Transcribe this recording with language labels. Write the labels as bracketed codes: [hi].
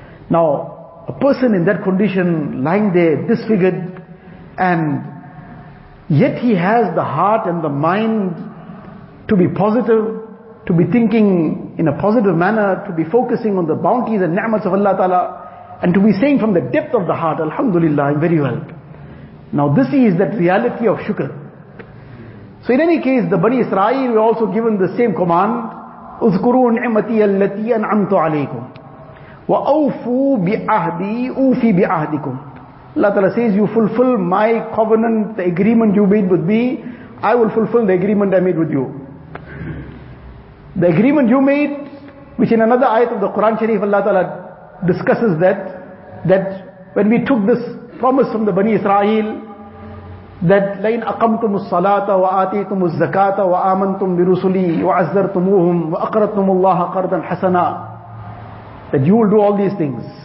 [en] Now, a person in that condition, lying there, disfigured, and yet he has the heart and the mind to be positive, to be thinking in a positive manner, to be focusing on the bounties and ni'mats of Allah Ta'ala, and to be saying from the depth of the heart, alhamdulillah, I'm very well. Now this is that reality of shukr. So in any case, the Bani Israel were also given the same command, [ar] اذكروا نعمتي التي انعمت عليكم واوفوا بعهدي اوفي بعهدكم. [en] Allah Ta'ala says, you fulfill my covenant, the agreement you made with me, I will fulfill the agreement I made with you. The agreement you made, which in another ayat of the Quran Sharif, Allah Ta'ala discusses that when we took this promise from the Bani Israel, that [ar] لَيْنْ أَقَمْتُمُ الصَّلَاةَ وَآتِيْتُمُ الزَّكَاةَ وَآمَنْتُمْ بِرُسُلِي وَعَزَّرْتُمُوهُمْ وَأَقْرَضْتُمُ اللَّهَ قَرْضًا حَسَنًا, [en] that you will do all these things.